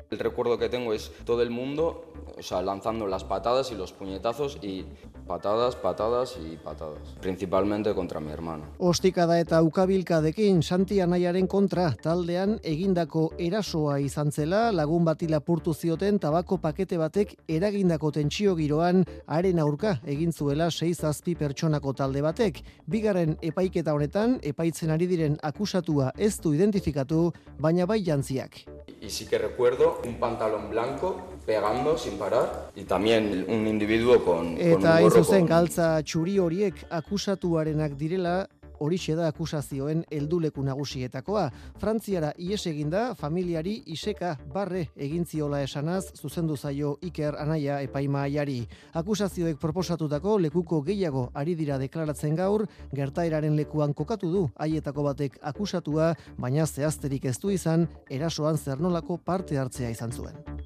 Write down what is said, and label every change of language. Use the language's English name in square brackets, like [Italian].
[Spanish] El recuerdo que tengo es todo el mundo, o sea, lanzando las patadas y los puñetazos y patadas, patadas y patadas, principalmente contra mi hermano. [Basque] Ostikada eta ukabilkadekin Santi anaiaren kontra taldean egindako erasoa izan zela lagun bati lapurtu zioten tabako pakete batek eragindako tentsio giroan haren aurka egin zuela 6-7 pertsonako talde batek. Bigarren epaiketa honetan epaitzen ari diren akusatua ez du identifikatu, baina bai jantziak. [Spanish] Y sí que recuerdo un pantalón blanco pegando sin parar y también un individuo con [Basque] eta hain zuzen galtza txuri horiek akusatuarenak direla, horixe da akusazioen helduleku nagusietakoa. Frantziara ies eginda familiari iseka barre egin ziola esanaz zuzendu zaio Iker anaia epaimahaiari. Akusazioek proposatutako lekuko gehiago ari dira deklaratzen gaur, gertaeraren lekuan kokatu du haietako batek akusatua, baina zehazterik ez du izan erasoan zer nolako parte hartzea izan zuen.